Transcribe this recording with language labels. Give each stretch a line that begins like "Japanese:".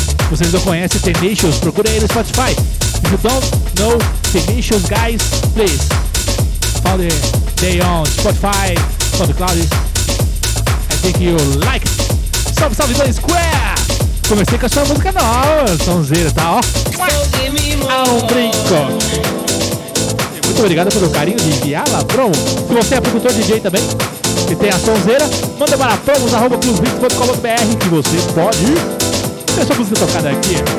Portuguese: Vocês não conhecem Delicious, procura aí no Spotify.
English: If you don't know Delicious, guys, please follow them on Spotify, on the cloud. I think you like it.
Portuguese: Salve, salve, Blaze Square. Comecei com a sua música nova, sonzeira, tá, ó. A um brinco. Muito obrigado pelo carinho de enviar, Labrão. Se você é produtor DJ também e tem a sonzeira, manda para promos@clubbeats.com.br que você pode ter sua música tocada aqui.